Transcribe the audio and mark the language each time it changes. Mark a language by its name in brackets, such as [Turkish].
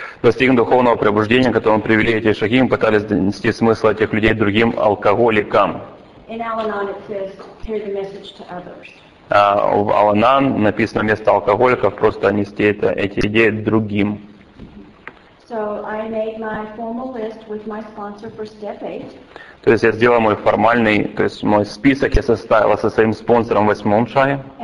[Russian] Достигнув духовного пробуждения, которым привели эти шаги, мы пытались донести смысл этих людей другим алкоголикам. [English] In Al-Anon it says, carry the message to others. [Russian] В Al-Anon написано вместо алкоголиков, просто нести эти идеи другим. [English] So I made my formal list with my sponsor for step 8. [Russian] То есть я сделал мой формальный, то есть мой список я составила со своим спонсором в восьмом шаге.